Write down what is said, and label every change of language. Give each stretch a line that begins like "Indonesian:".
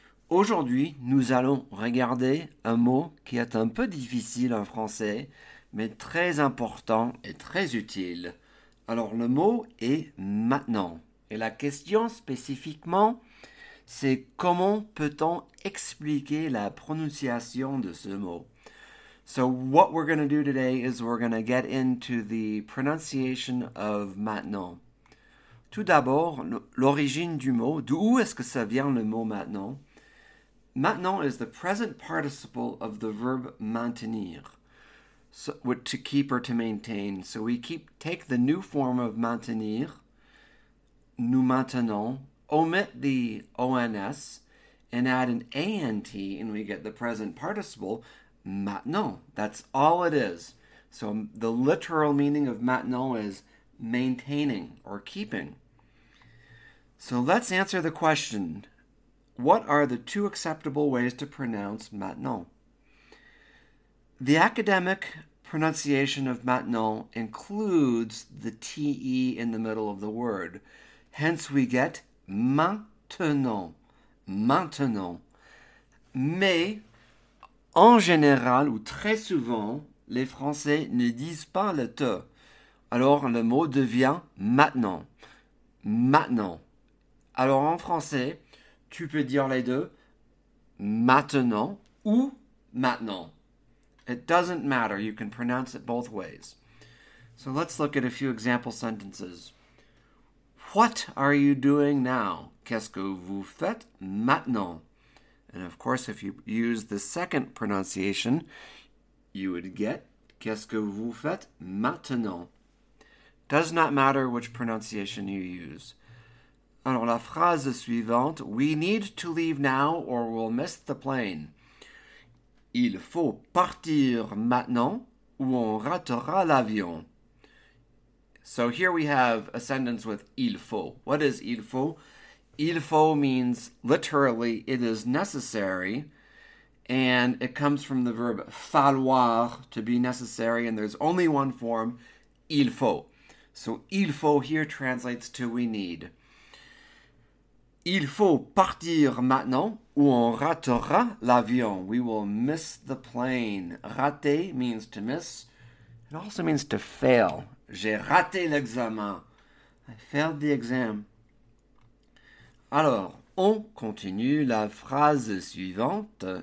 French: Aujourd'hui, nous allons regarder un mot qui est un peu difficile en français, mais très important et très utile. Alors, le mot est maintenant. Et la question spécifiquement, c'est comment peut-on expliquer la prononciation de ce mot?
English: So, what we're going to do today is we're going to get into the pronunciation of maintenant.
French: Tout d'abord, l'origine du mot, d'où est-ce que ça vient le mot maintenant?
English: Maintenant is the present participle of the verb maintenir, so, to keep or to maintain. So we take the new form of maintenir, nous maintenons, omit the ons, and add an ant, and we get the present participle maintenant. That's all it is. So the literal meaning of maintenant is maintaining or keeping. So let's answer the question. What are the two acceptable ways to pronounce maintenant? The academic pronunciation of maintenant includes the TE in the middle of the word. Hence we get maintenant, maintenant.
French: Mais en général ou très souvent, les Français ne disent pas le te. Alors le mot devient maintenant, maintenant. Alors en français, tu peux dire les deux, maintenant ou maintenant.
English: It doesn't matter, you can pronounce it both ways. So let's look at a few example sentences. What are you doing now?
French: Qu'est-ce que vous faites maintenant?
English: And of course, if you use the second pronunciation, you would get
French: qu'est-ce que vous faites maintenant?
English: Does not matter which pronunciation you use.
French: Alors, la phrase suivante,
English: we need to leave now or we'll miss the plane.
French: Il faut partir maintenant ou on ratera l'avion.
English: So here we have a sentence with il faut. What is il faut? Il faut means literally it is necessary, and it comes from the verb falloir, to be necessary, and there's only one form, il faut. So il faut here translates to we need.
French: Il faut partir maintenant ou on ratera l'avion.
English: We will miss the plane. Rater means to miss. It also means to fail.
French: J'ai raté l'examen.
English: I failed the exam.
French: Alors, on continue la phrase suivante.